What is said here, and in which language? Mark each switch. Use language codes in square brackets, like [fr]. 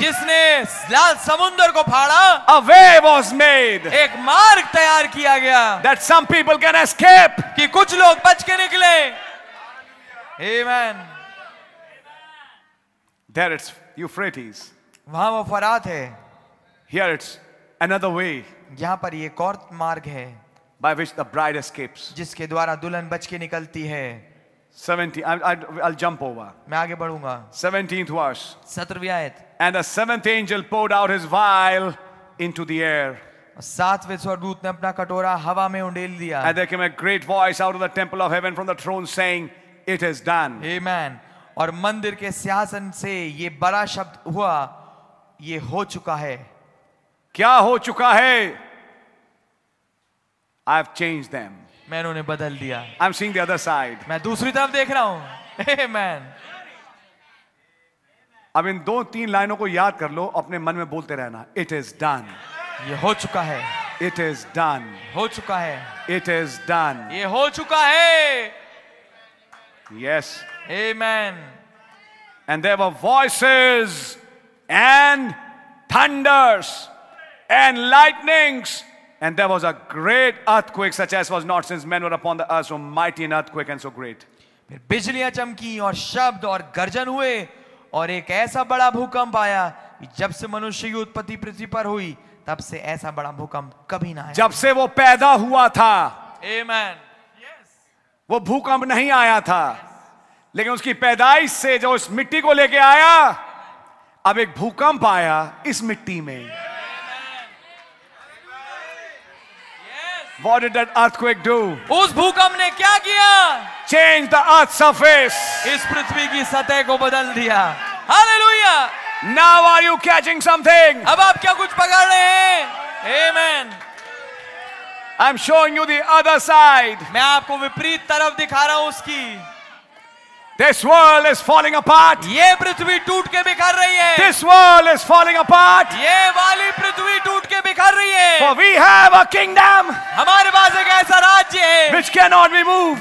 [hi] जिसने लाल समुंदर को फाड़ा. [en] A way was made. [hi] एक मार्ग तैयार किया गया. [en] That some people can escape. [hi] कि कुछ लोग बच के निकले. Amen. [en] There it's Euphrates. [hi] वहां वो फरात है. [en] Here it's another way. [hi] यहां पर ये एक और मार्ग है. [en] By which the bride escapes. [hi] जिसके द्वारा दुल्हन बच के निकलती है. [en] 17, I'll jump over. [hi] मैं आगे बढ़ूंगा. [en] 17th verse. [hi] सत्रहवीं आयत. [en] And the seventh angel poured out his vial into the air. [hi] सातवें स्वर्गदूत ने अपना कटोरा हवा में उंडेल दिया. [en] And there came a great voice out of the temple of heaven from the throne saying, "It is done." Amen. [hi] और मंदिर के सिंहासन से ये बड़ा शब्द हुआ, ये हो चुका है. क्या हो चुका है? [en] I've changed them. [hi] मैंने उन्हें बदल दिया. [en] I'm seeing the other side. [hi] मैं दूसरी तरफ देख रहा हूं. [en] Amen. [hi] अब इन दो तीन लाइनों को याद कर लो, अपने मन में बोलते रहना. [en] It is done. [hi] ये हो चुका है. [en] It is done. [hi] हो चुका है. [en] It is done. [hi] ये हो चुका है. [en] Yes. Amen. And there were voices and thunders and lightnings. And there was a great earthquake such as was not since men were upon the earth, so mighty an earthquake and so great. [hi] फिर बिजलियां चमकी और शब्द और गर्जन हुए और एक ऐसा बड़ा भूकंप आया कि जब से मनुष्य की उत्पत्ति पृथ्वी पर हुई तब से ऐसा बड़ा भूकंप कभी ना आया. जब से वो पैदा हुआ था. [en] Amen. [hi] वो भूकंप नहीं आया था. लेकिन उसकी पैदाइश से जो इस मिट्टी को लेके आया, अब एक भूकंप आया इस मिट्टी में. [en] What did that earthquake do? [hi] उस भूकंप ने क्या किया? [en] Change the earth's surface. [hi] इस पृथ्वी की सतह को बदल दिया. [en] Hallelujah. Now are you catching something? [hi] अब आप क्या कुछ पकड़ रहे हैं? [en] Amen. I'm showing you the other side. [hi] मैं आपको विपरीत तरफ दिखा रहा हूं उसकी. [en] This world is falling apart. [hi] ये पृथ्वी टूट के बिखर रही है. [en] This world is falling apart. [hi] ये वाली पृथ्वी टूट के बिखर रही है. [en] For we have a kingdom. [hi] हमारे पास एक ऐसा राज्य है. [en] Which cannot be moved.